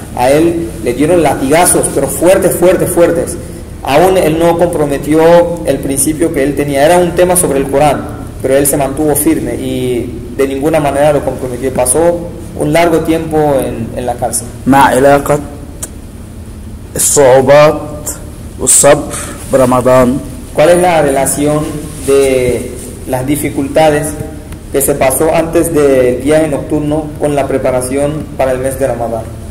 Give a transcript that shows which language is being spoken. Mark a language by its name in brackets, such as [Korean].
[Spanish] A él le dieron latigazos, pero fuertes. Aún él no comprometió el principio que él tenía. Era un tema sobre el Corán, pero él se mantuvo firme y de ninguna manera lo comprometió. Pasó un largo tiempo en la cárcel. [Arabic] مع علاقة الصعوبات والصبر برمضان. [Spanish] ¿Cuál es la relación de las dificultades que se pasó antes del viaje nocturno con la preparación para el mes de Ramadán?